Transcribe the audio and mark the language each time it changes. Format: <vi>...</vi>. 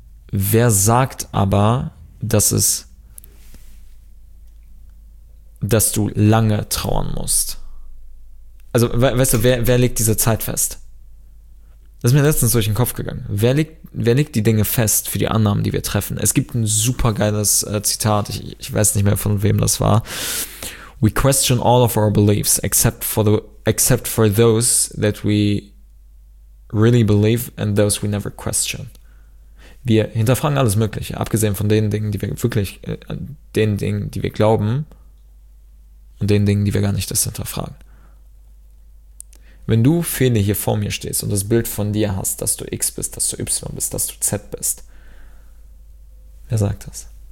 <de>Wer sagt aber, dass du lange trauern musst? Also, weißt du, wer legt diese Zeit fest? Das ist mir letztens durch den Kopf gegangen. Wer legt die Dinge fest für die Annahmen, die wir treffen? Es gibt ein super geiles Zitat, ich weiß nicht mehr von wem das war.</de> <en>We question all of our beliefs, except for those that we really believe and those we never question.</en> <de>Wir hinterfragen alles Mögliche, abgesehen von den Dingen, die wir wirklich, den Dingen, die wir glauben und den Dingen, die wir gar nicht das hinterfragen. Wenn du, Fene, hier vor mir stehst und das Bild von dir hast, dass du X bist, dass du Y bist, dass du Z bist, wer sagt das?</de>